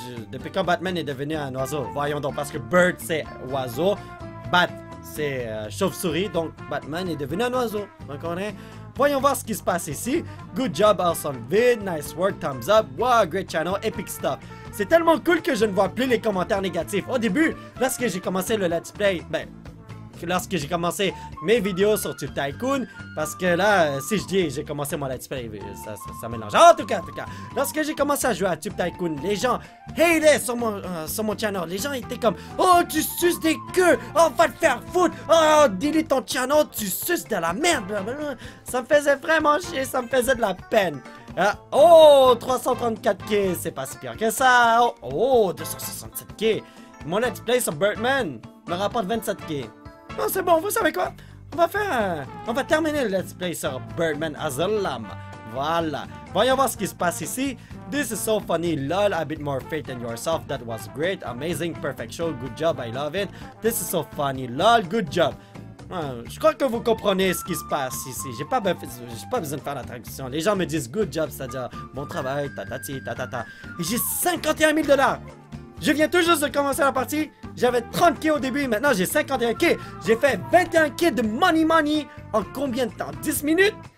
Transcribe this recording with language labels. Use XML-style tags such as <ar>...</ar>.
<fr>depuis quand Batman est devenu un oiseau? Voyons donc, parce que Bird, c'est oiseau. Bat, c'est chauve-souris. Donc, Batman est devenu un oiseau. D'accord. Voyons voir ce qui se passe ici.</fr> <en>Good job, awesome vid, nice work, thumbs up. Wow, great channel, epic stuff.</en> <fr>C'est tellement cool que je ne vois plus les commentaires négatifs. Au début, lorsque j'ai commencé le let's play, lorsque j'ai commencé mes vidéos sur Tube Tycoon, parce que là, si je dis j'ai commencé mon let's play, ça mélange. Ah, en tout cas, lorsque j'ai commencé à jouer à Tube Tycoon, les gens hélaient sur mon channel. Les gens étaient comme, oh, tu suces des queues, oh, va te faire foutre, oh, delete ton channel, tu suces de la merde. Ça me faisait vraiment chier, ça me faisait de la peine. Ah, oh, 334k, c'est pas si pire que ça. Oh, 267k. Mon let's play sur Birdman me rapporte 27k. Non, c'est bon, vous savez quoi? On va terminer le let's play sur Birdman Asylum. Voilà. Voyons voir ce qui se passe ici.</fr> <en>This is so funny, lol, a bit more faith in yourself. That was great, amazing, perfect show. Good job, I love it. This is so funny, lol, good job.</en> <fr>Je crois que vous comprenez ce qui se passe ici. J'ai pas besoin de faire la traduction. Les gens me disent</fr> <en>good job,</en> <fr>c'est-à-dire bon travail, tatati, tatata. Et j'ai 51 000 $. Je viens tout juste de commencer la partie. J'avais 30k au début, maintenant j'ai 51k. J'ai fait 21k de money en combien de temps? 10 minutes?</fr>